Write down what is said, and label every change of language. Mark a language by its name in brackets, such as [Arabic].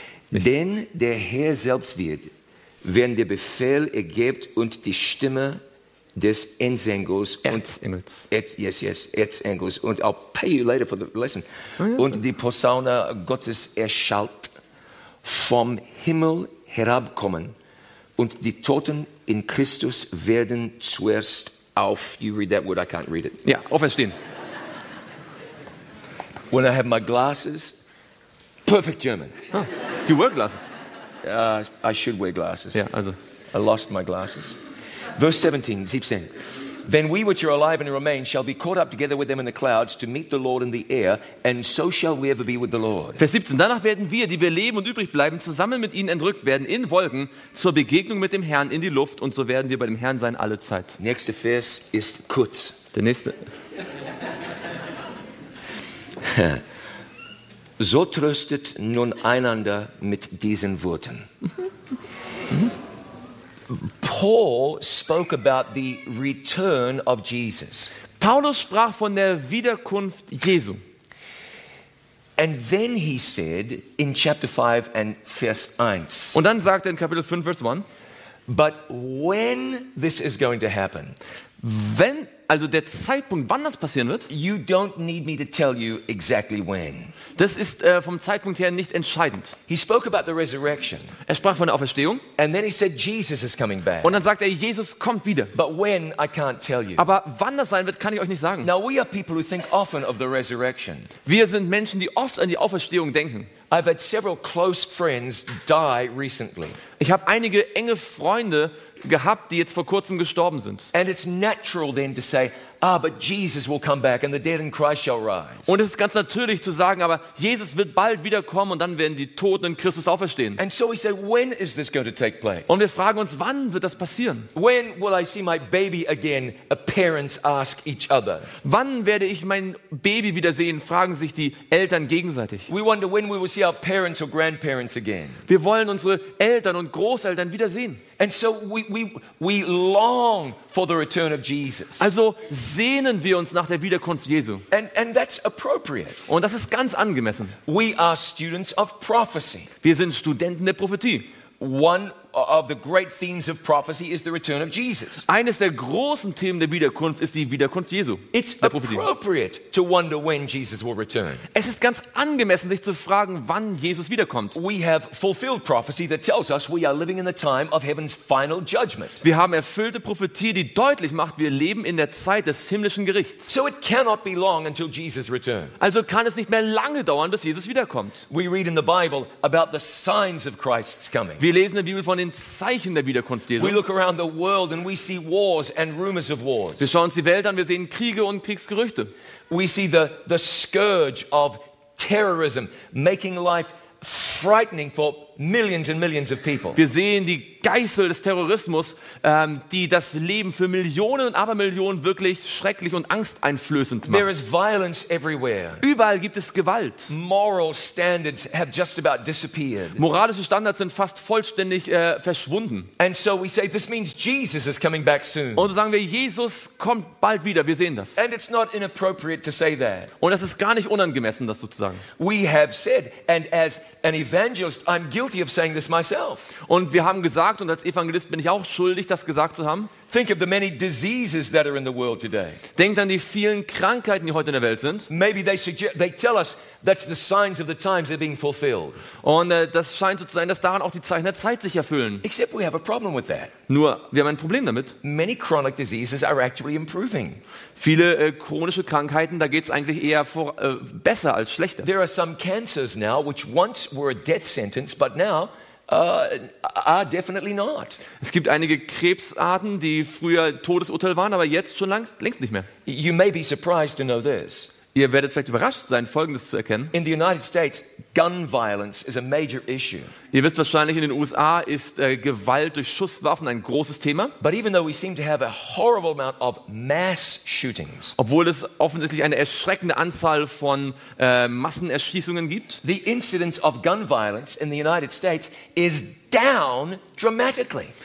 [German] Denn der Herr selbst wird, wenn der Befehl ergibt und die Stimme des Erzengels Erzengels und [English] I'll pay you later for the lesson. Oh, yeah. [German] Und die Posaune Gottes erschallt, vom Himmel herabkommen und die Toten in Christus werden zuerst auf, [English] you read that word, I can't read it. [German] Ja, auferstehen. [English] When I have my glasses, perfect German. Oh, you wear glasses. I should wear glasses. Yeah, also. I lost my glasses. Verse 17. Then we which are alive and remain shall be caught up together with them in the clouds to meet the Lord in the air, and so shall we ever be with the Lord. [German] Vers 17. Danach werden wir, die wir leben und übrig bleiben, zusammen mit ihnen entrückt werden in Wolken zur Begegnung mit dem Herrn in die Luft, und so werden wir bei dem Herrn sein alle Zeit. Nächster Vers ist kurz. Der nächste. So tröstet nun einander mit diesen Worten. [English] Paul spoke about the return of Jesus. [German] Paulus sprach von der Wiederkunft Jesu. [English] And then he said in chapter 5 and verse 1. [German] Und dann sagt er in Kapitel 5 Vers 1. [English] But when this is going to happen? [German] Wenn, also der Zeitpunkt, wann das passieren wird? [English] You don't need me to tell you exactly when. [German] Das ist vom Zeitpunkt her nicht entscheidend. [English] He spoke about the resurrection. [German] Er sprach von der Auferstehung. [English] And then he said Jesus is coming back. [German] Und dann sagt er, Jesus kommt wieder. [English] But when, I can't tell you. [German] Aber wann das sein wird, kann ich euch nicht sagen. [English] Now we are people who think often of the resurrection. [German] Wir sind Menschen, die oft an die Auferstehung denken. [English] I've had several close friends die recently. [German] Ich habe einige enge Freunde gehabt, die jetzt vor kurzem gestorben sind. [English] And it's natural then to say, ah, but Jesus will come back and the dead in Christ shall rise. [German] Und es ist ganz natürlich zu sagen, aber Jesus wird bald wiederkommen und dann werden die Toten in Christus auferstehen. [English] And so we say, when is this going to take place? [German] Und wir fragen uns, wann wird das passieren? [English] When will I see my baby again? Parents ask each other. [German] Wann werde ich mein Baby wiedersehen? Fragen sich die Eltern gegenseitig. [English] We wonder when we will see our parents or grandparents again. [German] Wir wollen unsere Eltern und Großeltern wiedersehen. [English] And so we long for the return of Jesus. [German] Also sehnen wir uns nach der Wiederkunft Jesu. [English] And that's appropriate. [German] Und das ist ganz angemessen. [English] We are students of prophecy. [German] Wir sind Studenten der Prophetie. [English] One of the great themes of prophecy is the return of Jesus. [German] Eines der großen Themen der Wiederkunft ist die Wiederkunft Jesu. [English] It's appropriate to wonder when Jesus will return. [German] Es ist ganz angemessen, sich zu fragen, wann Jesus wiederkommt. [English] We have fulfilled prophecy that tells us we are living in the time of heaven's final judgment. [German] Wir haben erfüllte Prophetie, die deutlich macht, wir leben in der Zeit des himmlischen Gerichts. [English] So it cannot be long until Jesus returns. [German] Also kann es nicht mehr lange dauern, bis Jesus wiederkommt. [English] We read in the Bible about the signs of Christ's coming. [German] Wir lesen in der Bibel von den Zeichen der Wiederkunft Jesu. [English] We look around the world and we see wars and rumors of wars. [German] Wir schauen uns die Welt an, wir sehen Kriege und Kriegsgerüchte. [English] We see the scourge of terrorism making life frightening for millions and millions of people. [German] Wir sehen die Geißel des Terrorismus, die das Leben für Millionen und Abermillionen wirklich schrecklich und angsteinflößend macht. [English] There is violence everywhere. [German] Überall gibt es Gewalt. [English] Moral standards have just about disappeared. [German] Moralische Standards sind fast vollständig verschwunden. [English] And so we say, this means Jesus is coming back soon. [German] Und so sagen wir, Jesus kommt bald wieder. Wir sehen das. [English] And it's not inappropriate to say that. [German] Und es ist gar nicht unangemessen, das so zu sagen. [English] We have said, and as an evangelist, I'm guilty of saying this myself. [German] Und wir haben gesagt, und als Evangelist bin ich auch schuldig, das gesagt zu haben. [English] Think of the many diseases that are in the world today. [German] Denkt an die vielen Krankheiten, die heute in der Welt sind. [English] Maybe they tell us that's the signs of the times are being fulfilled. [German] Und das scheint so zu sein, dass daran auch die Zeichen der Zeit sich erfüllen. [English] Except we have a problem with that. [German] Nur wir haben ein Problem damit. [English] Many chronic diseases are actually improving. [German] Viele chronische Krankheiten, da geht's eigentlich eher vor besser als schlechter. [English] There are some cancers now which once were a death sentence, but now are definitely not. [German] Es gibt einige Krebsarten, die früher Todesurteil waren, aber jetzt schon längst nicht mehr. [English] You may be surprised to know this. [German] Ihr werdet vielleicht überrascht sein, Folgendes zu erkennen. [English] In the United States, gun violence is a major issue. [German] Ihr wisst wahrscheinlich, in den USA ist Gewalt durch Schusswaffen ein großes Thema. [English] But even though we seem to have a horrible amount of mass shootings, [German] obwohl es offensichtlich eine erschreckende Anzahl von Massenerschießungen gibt, [English] the incidence of gun violence in the United States is down dramatically.